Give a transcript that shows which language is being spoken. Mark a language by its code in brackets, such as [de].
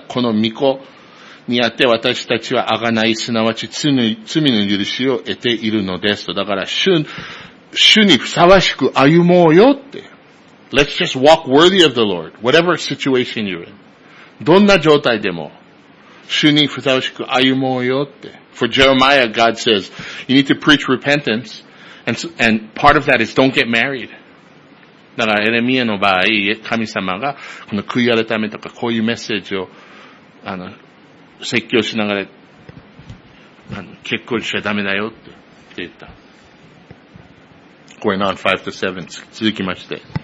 [ja] この御子にあって私たちは贖い、すなわち罪の許しを得ているのですと。だから主にふさわしく歩もうよって。 [en] Let's just walk worthy of the Lord, whatever situation you're in. [ja] どんな状態でも主にふさわしく歩もうよって。 [en] For Jeremiah, God says, you need to preach repentance, and part of that is don't get married. [ja] だからエレミヤの場合、神様がこの悔い改めとかこういうメッセージを説教しながら、結婚しちゃダメだよって言った。 [en] Going on 5 to 7. [ja] 続きまして。